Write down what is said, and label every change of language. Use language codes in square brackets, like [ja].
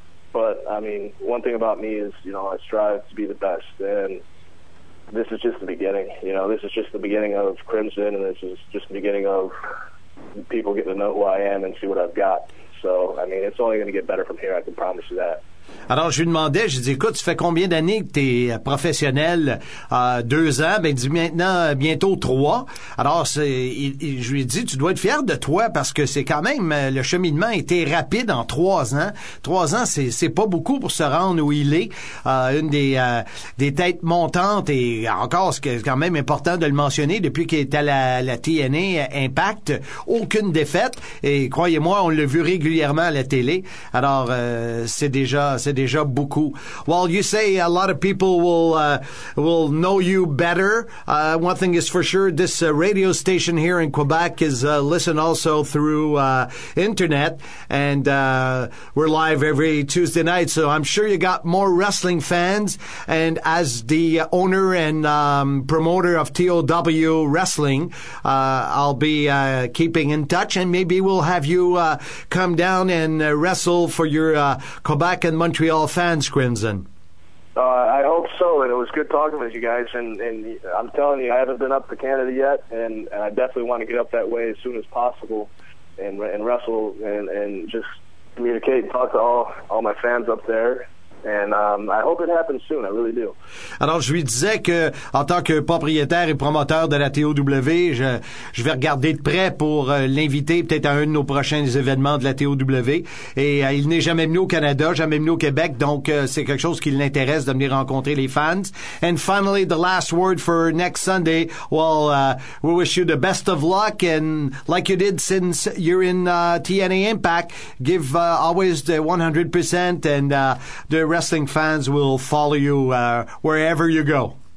[en] But I mean, one thing about me is, you know, I strive to be the best, and this is just the beginning. You know, this is just the beginning of Crimson, and this is just the beginning of people getting to know who I am and see what I've got. So, I mean, it's only going to get better from here. I can promise you that. [fr] Alors, je lui demandais, je dis, écoute, tu fais combien d'années que tu es professionnel? 2 ans, ben, il dit maintenant, bientôt 3. Alors, je lui ai dit, tu dois être fier de toi parce que c'est quand même, le cheminement a été rapide en 3 ans. 3 ans, c'est pas beaucoup pour se rendre où il est. Une des têtes montantes, et encore, c'est quand même important de le mentionner, depuis qu'il est à la TNA Impact, aucune défaite. Et croyez-moi, on l'a vu régulièrement à la télé. Alors, c'est déjà beaucoup. [en] Well, you say a lot of people will know you better. One thing is for sure, this radio station here in Quebec is listened also through internet, and we're live every Tuesday night, so I'm sure you got more wrestling fans. And as the owner and promoter of TOW Wrestling, I'll be keeping in touch, and maybe we'll have you come down and wrestle for your Quebec and Montreal fans, Crimson. I hope so, and it was good talking with you guys, and I'm telling you, I haven't been up to Canada yet, and I definitely want to get up that way as soon as possible and wrestle and just communicate and talk to all my fans up there. And I hope it happens soon. I really do. [fr] Alors, je lui disais que, en tant que propriétaire et promoteur de la TOW, je vais regarder de près pour l'inviter peut-être à un de nos prochains événements de la TOW. Et il n'est jamais venu au Canada, jamais venu au Québec, donc c'est quelque chose qui l'intéresse de venir rencontrer les fans. [en] And finally, the last word for next Sunday. Well, we wish you the best of luck, and like you did since you're in TNA Impact, give always the 100%, and the wrestling fans will follow you wherever you go.